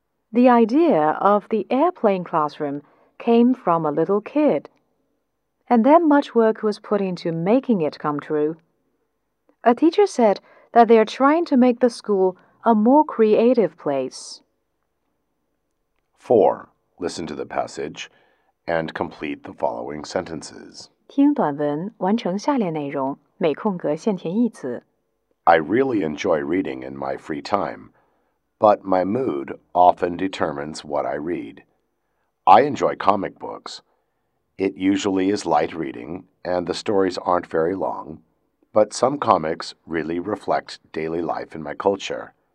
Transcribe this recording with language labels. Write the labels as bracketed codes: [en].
[en] The idea of the airplane classroom came from a little kid, and then much work was put into making it come true. A teacher said that they are trying to make the school a more creative place. 4. Listen to the passage and complete the following sentences. [zh] 听短文，完成下列内容，每空格限填一词。 [en] I really enjoy reading in my free time, but my mood often determines what I read. I enjoy comic books. It usually is light reading, and the stories aren't very long, but some comics really reflect daily life in my culture.